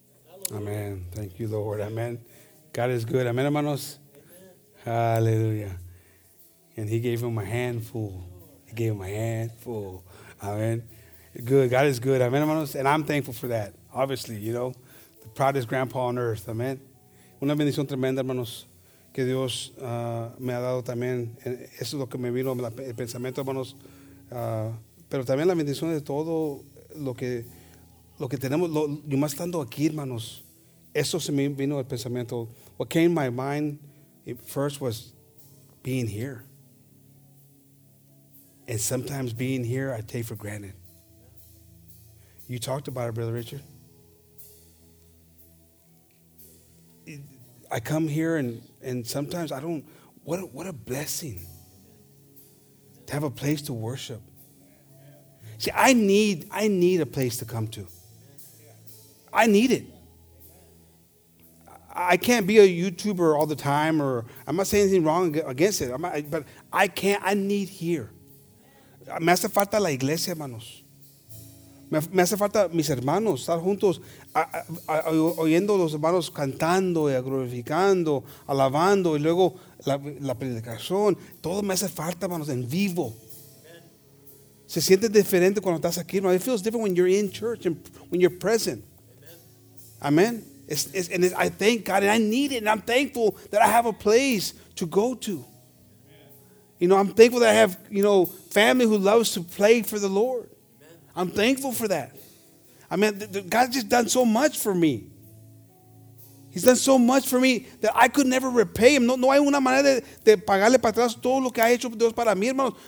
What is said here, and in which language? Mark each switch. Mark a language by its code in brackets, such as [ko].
[en] Hallelujah. Amen. Thank you, Lord. Amen. God is good. Amen, hermanos. Hallelujah. And he gave him a handful. He gave him a handful. Amen. Good. God is good. Amen, hermanos. And I'm thankful for that. Obviously, you know, the proudest grandpa on earth. Amen. [es] Una bendición tremenda, hermanos, que Dios me ha dado también. Eso es lo que me vino, el pensamiento, hermanos. Pero también la bendición de todo lo que tenemos. Yo más estando aquí, hermanos. Eso se me vino el pensamiento. [en] What came to my mind first was being here. And sometimes being here, I take for granted. You talked about it, Brother Richard. I come here and sometimes I don't, what a blessing to have a place to worship. See, I need a place to come to. I need it. I can't be a YouTuber all the time, or I'm not saying anything wrong against it, but I can't, I need here. [es] Me hace falta la iglesia, hermanos. Me hace falta mis hermanos, estar juntos, oyendo los hermanos cantando y glorificando, alabando, y luego la predicación. Todo me hace falta, hermanos, en vivo. Amen. Se siente diferente cuando estás aquí, hermanos. [en] It feels different when you're in church and when you're present. Amen. And I thank God, and I need it, and I'm thankful that I have a place to go to. Amen. You know, I'm thankful that I have, you know, family who loves to play for the Lord. Amen. I'm thankful for that. I mean, God's just done so much for me. He's done so much for me that I could never repay him. [es] No hay una manera de pagarle para atrás todo lo que ha hecho Dios para mí, hermanos.